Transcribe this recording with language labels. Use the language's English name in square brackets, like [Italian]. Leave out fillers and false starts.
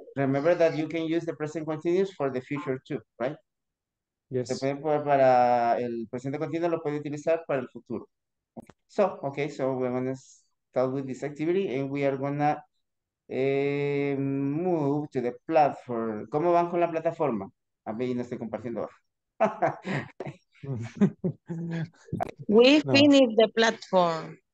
[English] Remember that you can use the present continuous for the future too, right? Yes. [Spanish] Depende para el presente continuo lo puede utilizar para el futuro. [English] So, okay, so we're going to start with this activity and we are going to move to the platform. [Spanish] ¿Cómo van con la plataforma? A mí no estoy compartiendo. [English] We finished the platform.